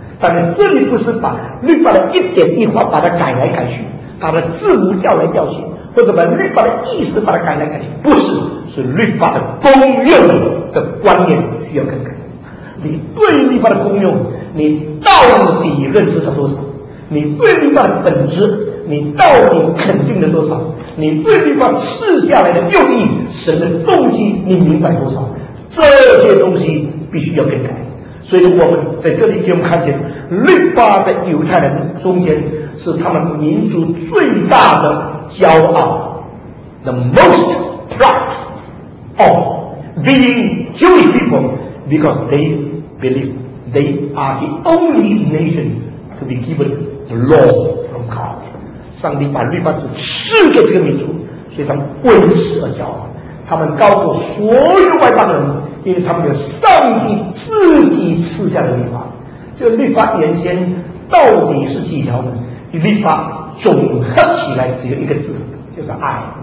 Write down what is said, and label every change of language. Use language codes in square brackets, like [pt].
[zh] 当然这里不是把律法的一点一划把它改来改去，把它字母调来调去，或者把律法的意思把它改来改去，不是，是律法的功用的观念需要更改。你对律法的功用，你到底认识了多少？你对律法的本质，你到底肯定了多少？你对律法赐下来的用意、神的动机，你明白多少？这些东西必须要更改。所以我们在这里给我们看见，律法的犹太人中间是他们民族最大的骄傲 [en] ，the most proud of being Jewish people， because they believe they are the only nation to be given the law from God。 [zh] 上帝把律法只赐给这个民族，所以他们为此而骄傲。他们高过所有外邦人，因为他们有上帝自己赐下的律法。这个律法原先到底是几条呢？律法总合起来只有一个字，就是爱。